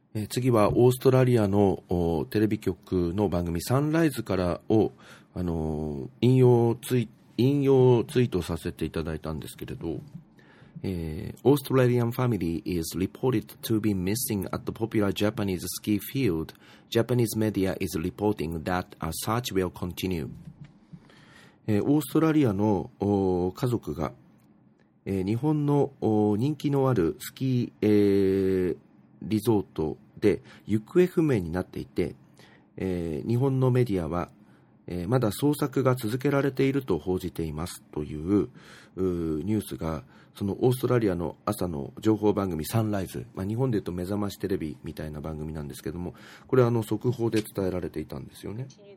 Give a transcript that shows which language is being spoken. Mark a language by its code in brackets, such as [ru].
[ja] 次はオーストラリアのテレビ局の番組サンライズからを、引用ツイートさせていただいたんですけれど、オーストラリアンファミリー [en] is reported to be missing at the popular Japanese ski field. Japanese media is reporting that a search will continue. [ja] オーストラリアの家族が、日本の人気のあるスキー、リゾートで行方不明になっていて、日本のメディアは、まだ捜索が続けられていると報じていますというニュースが、そのオーストラリアの朝の情報番組サンライズ、まあ、日本でいうと目覚ましテレビみたいな番組なんですけども、これは速報で伝えられていたんですよね。